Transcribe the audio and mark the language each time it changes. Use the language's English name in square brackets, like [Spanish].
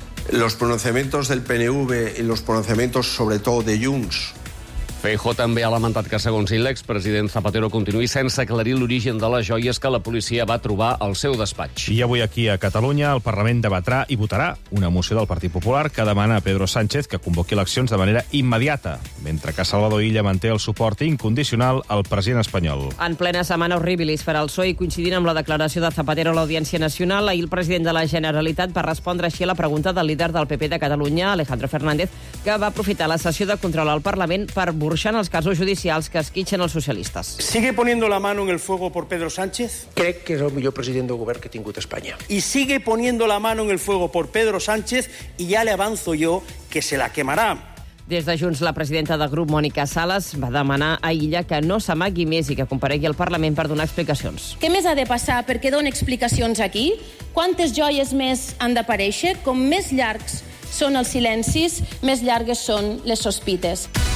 [Spanish] Los pronunciamientos del PNV y los pronunciamientos, sobre todo, de Junts. [Catalan] Feijóo també ha lamentat que, segons ell, l'expresident Zapatero continuï sense aclarir l'origen de les joies que la policia va trobar al seu despatx. I avui aquí a Catalunya, el Parlament debatrà i votarà una moció del Partit Popular que demana a Pedro Sánchez que convoqui eleccions de manera immediata, mentre que Salvador Illa manté el suport incondicional al president espanyol. En plena setmana horribilis per al PSOE, coincidint amb la declaració de Zapatero a l'Audiència Nacional, ahir el president de la Generalitat va respondre així a la pregunta del líder del PP de Catalunya, Alejandro Fernández, que va aprofitar la sessió de control al Parlament per burxant els casos judicials que esquitxen els socialistes. [Spanish] ¿Sigue poniendo la mano en el fuego por Pedro Sánchez? [Catalan] Crec que és el millor president del govern que ha tingut Espanya. [Spanish] Y sigue poniendo la mano en el fuego por Pedro Sánchez y ya le avanzo yo que se la quemará. [Catalan] Des de Junts, la presidenta del grup, Mònica Sales, va demanar a Illa que no s'amagui més i que comparegui al Parlament per donar explicacions. Què més ha de passar perquè doni explicacions aquí? Quantes joies més han d'aparèixer? Com més llargs són els silencis, més llargues són les sospites.